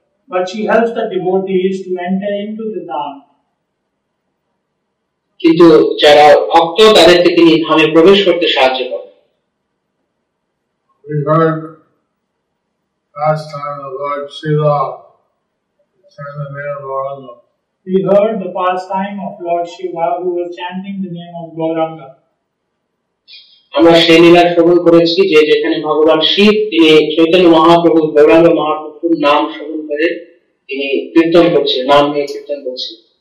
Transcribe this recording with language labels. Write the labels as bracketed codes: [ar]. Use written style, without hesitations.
[en] But she helps the devotees to enter into the dham. [bn] কিন্তু যারা ভক্ত তাদেরকে তিনি ধামে প্রবেশ করতে সাহায্য করেন. [en] We heard last time the Lord Shiva chanting the name of Gauranga. We heard the past time of Lord Shiva who was chanting the name of Gauranga. [bn] আমরা সেই লীলা শ্রবণ করেছি যে যেখানে ভগবান শিব তিনি চৈতন্য মহাপ্রভু গৌরাঙ্গ মহাপ্রভুর নাম শ্রবণ করে তিনি কীর্তন করছেন নাম নিয়ে কীর্তন করছেন